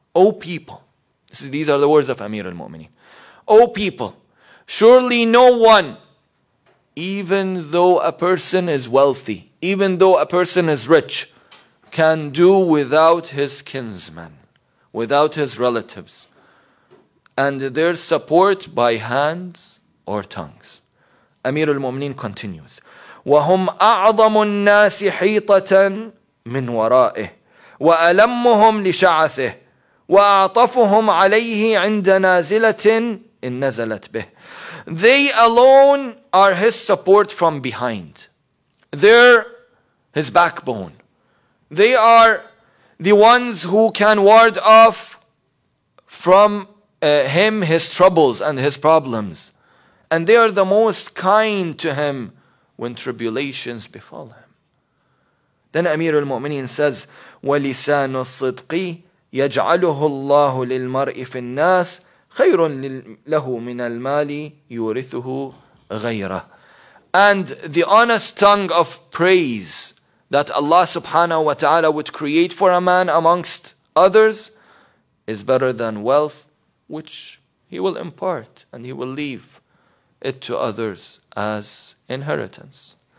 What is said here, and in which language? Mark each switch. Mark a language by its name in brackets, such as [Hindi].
[English] O people, these are the words of Amir al-Mu'mineen. O people, surely no one, even though a person is wealthy, even though a person is rich, can do without his kinsmen, without his relatives, and their support by hands or tongues. Amir al-Mu'mineen continues, [Arabic] وَهُمْ أَعْظَمُ النَّاسِ حِيطَةً مِنْ وَرَائِهِ وَأَلَمُّهُمْ لِشَعَثِهِ وَأَعْطَفُهُمْ عَلَيْهِ عِنْدَ نَازِلَةٍ إِنْ نَزَلَتْ بِهِ. [English] They alone are his support from behind. They're his backbone. They are the ones who can ward off from him his troubles and his problems. And they are the most kind to him when tribulations befall him. Then Amir al-Mu'mineen says, [Arabic] وَلِسَانُ الصِّدْقِ يَجْعَلُهُ اللَّهُ لِلْمَرْءِ فِي النَّاسِ خَيْرٌ لَهُ مِنَ الْمَالِ يُورِثُهُ غَيْرَهُ. [English] And the honest tongue of praise that Allah subhanahu wa ta'ala would create for a man amongst others is better than wealth, which he will impart and he will leave it to others as inheritance.